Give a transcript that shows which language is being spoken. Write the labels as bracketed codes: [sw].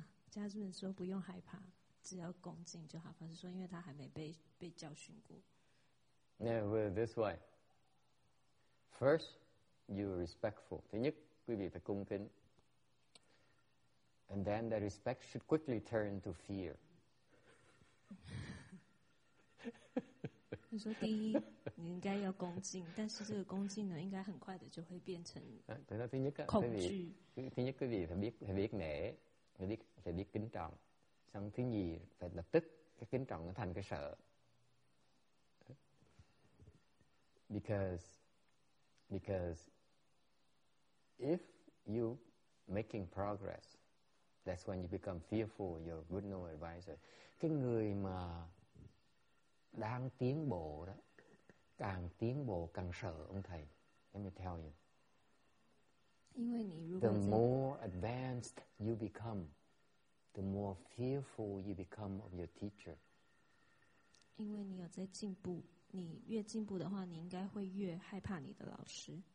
[zh] Jasmine 说不用害怕, 只要恭敬就好, 反正说因为他还没被教训过。 [en] Yeah, well, this way. First, you're respectful. [vi] Thứ nhất, quý vị phải cung kính. [en] And then the respect should quickly turn to fear. [zh] 你说第一，你应该要恭敬，但是这个恭敬呢，应该很快的就会变成恐惧。 [vi] thứ nhất cái gì phải biết nể, phải biết kính trọng. Xong thứ nhì phải lập tức cái kính trọng nó thành cái sợ. [en] Because if you making progress, that's when you become fearful your good no advisor. [vi] Cái người mà đang tiến bộ đó, càng tiến bộ càng sợ ông thầy. [en] Let me tell you. The more advanced you become, the more fearful you become of your teacher. [zh] 因为你有在进步，你越进步的话，你应该会越害怕你的老师。